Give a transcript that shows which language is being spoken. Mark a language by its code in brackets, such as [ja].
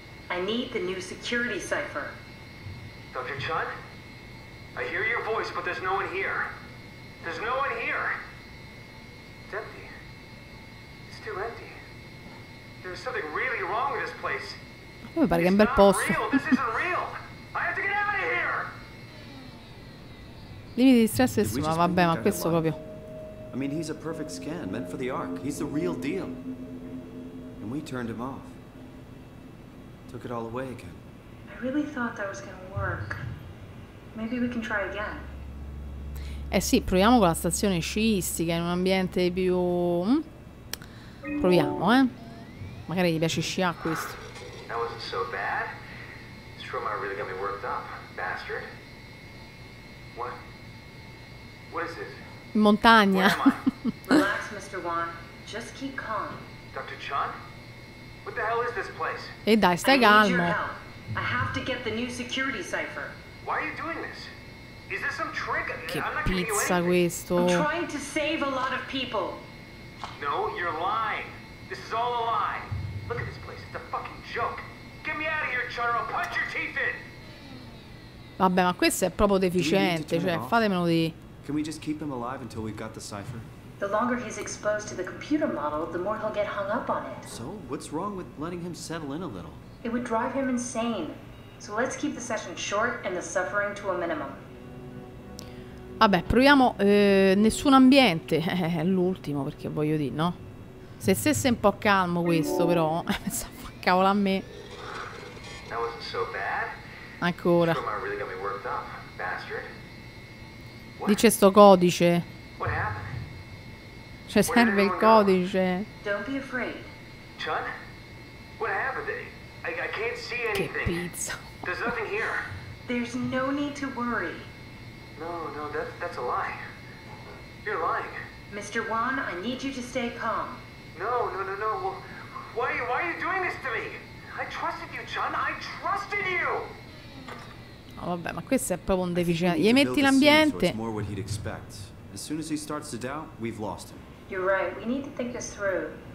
[en] I need the new security cipher. Dr. Chen? I hear your voice, but there's no one here. There's no one here! It's empty. It's too empty. There's something really wrong with this place. [it] Mi pare che è un bel posto. [en] This isn't real! I have to get out of here! [it] Limiti di stress e ma vabbè, ma questo proprio. [en] I mean, he's a perfect scan, meant for the Ark. He's the real deal. And we turned him off. Took it all away again. I really thought that was gonna work. Maybe we can try again. [it] Eh sì, proviamo con la stazione sciistica in un ambiente più... Proviamo, eh. Magari gli piace sciare questo. [en] That wasn't so bad. Stromeyer really got me worked up, bastard. What? What is this? [it] In montagna. [en] Relax, Mr. Wan. Just keep calm. Dr. Chun? What the hell is this place? [it] E dai, stai calmo. [en] I have to get the new security cipher. Why are you doing this? Is this some trick? [it] Che pizza questo. [en] I'm trying to save a lot of people. No, you're lying. This is all a lie. Look at this place. It's a fucking joke. Get me out of here, Chun, or I'll punch your teeth in. [it] Vabbè, ma questo è proprio deficiente. Cioè, fatemelo di... [en] Can we just keep him alive until we've got the cipher? The longer he's exposed to the computer model, the more he'll get hung up on it. So, what's wrong with letting him settle in a little? It would drive him insane. So let's keep the session short and the suffering to a minimum. [it] Vabbè, proviamo nessun ambiente. È l'ultimo, perché voglio dire, no? Se stesse un po' calmo questo, però... Sta a far cavolo a me. [en] That wasn't so bad. [it] Ancora. [en] Stromeyer really got me worked up, bastard. [it] Dice sto codice. [en] What happened? [it] Cioè serve il codice. [en] Don't be afraid. Chun? What happened? I can't see anything. [it] Che pizza. [en] There's nothing here. There's no need to worry. No, that's a lie. You're lying. Mr. Wan, I need you to stay calm. No. Well, why are you doing this to me? I trusted you, Chun. I trusted you. [it] Vabbè, ma questo è proprio un deficiente. Gli metti l'ambiente. [en] As soon as he starts to doubt, we've lost him. You're right, we need to think this through.